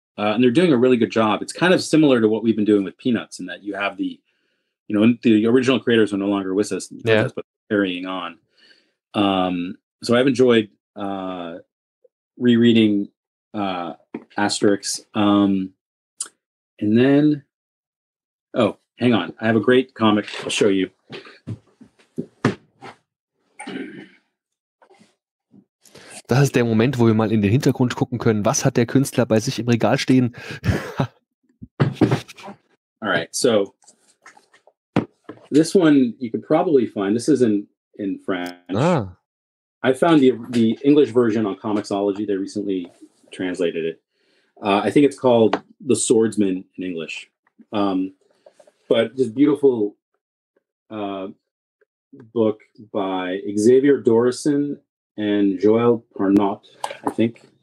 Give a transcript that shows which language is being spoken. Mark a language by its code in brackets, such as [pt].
[en] And they're doing a really good job. It's kind of similar to what we've been doing with Peanuts, in that you have the, you know, the original creators are no longer with us, but carrying on. So I've enjoyed rereading Asterix. And then, oh, hang on. I have a great comic I'll show you. [de] Das ist der Moment, wo wir mal in den Hintergrund gucken können. Was hat der Künstler bei sich im Regal stehen? [en] All right, so this one you could probably find. This is in French. Ah. I found the English version on Comicsology. They recently translated it. I think it's called The Swordsman in English. But this beautiful book by Xavier Dorison and Joël Parnot, I think.